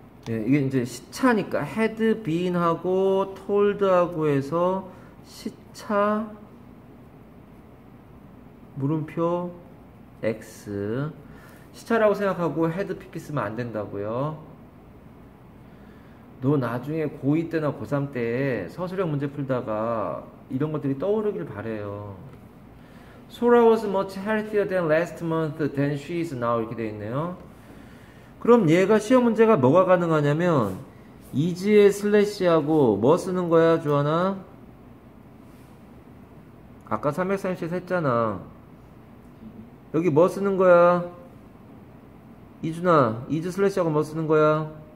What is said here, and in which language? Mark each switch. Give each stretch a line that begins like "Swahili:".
Korean: 예, 이게 이제 시차니까 had been 하고 told 하고 해서 시차 물음표 x 시차라고 생각하고 had 핏기 쓰면 안 된다고요. 너 나중에 고2 때나 고3 때 서술형 문제 풀다가 이런 것들이 떠오르길 바래요.
English: Sora was much healthier than last month than she is now 이렇게 돼 있네요.
Korean: 그럼 얘가 시험 문제가 뭐가 가능하냐면 is에 슬래시하고 뭐 쓰는 거야, 주하나? 아까 330 했잖아. 여기 뭐 쓰는 거야? 이준아, 이즈 슬래시하고 뭐 쓰는 거야?